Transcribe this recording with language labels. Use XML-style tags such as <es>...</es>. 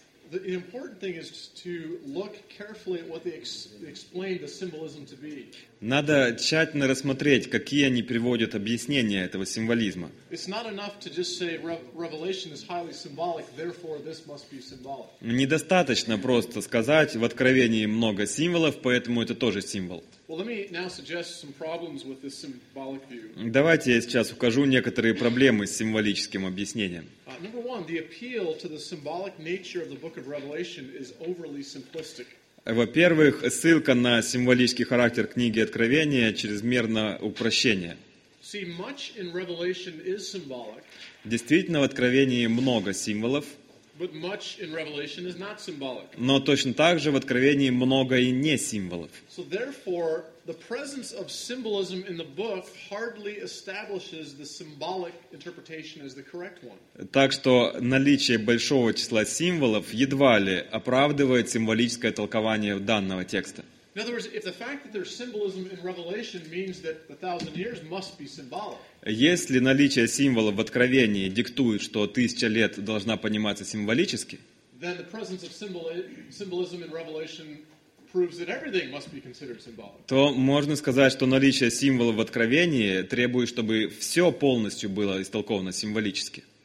<en>The important thing is to look carefully at what they explain the symbolism to be.</en> <ru>Надо тщательно рассмотреть, какие они приводят объяснения этого символизма.</ru> <en>It's not enough to just say Revelation is highly symbolic, therefore this must be symbolic.</en> <ru>Недостаточно просто сказать, в Откровении много символов, поэтому это тоже символ.</ru> <en>Well, let me now suggest some problems with this symbolic view.</en> <ru>Давайте я сейчас укажу некоторые проблемы с символическим объяснением.</ru> <en>Number one, the appeal to the symbolic nature of the book of Revelation is overly simplistic.</en> <ru>Во-первых, ссылка на символический характер книги Откровения чрезмерно упрощение.</ru> <en>See, much in Revelation is symbolic.</en> <ru>Действительно, в Откровении много символов.</ru> <en>But much in Revelation is not symbolic.</en> <ru>Но точно так же в Откровении много и не символов.</ru> <en>So therefore, the presence of symbolism in the book hardly establishes the symbolic interpretation as the correct one.</en> <ru>Так что наличие большого числа символов едва ли оправдывает символическое толкование данного текста.</ru> <en>In other words, if the fact that there's symbolism in Revelation means that the 1000 years must be symbolic.</en> <ru>Если наличие символов в Откровении диктует, что 1000 лет должна пониматься символически,</ru> <en>then the presence of symbolism in Revelation proves that everything must be considered symbolic.</en> <ru>То можно сказать, что наличие символов в Откровении требует, чтобы все полностью было истолковано символически.</ru>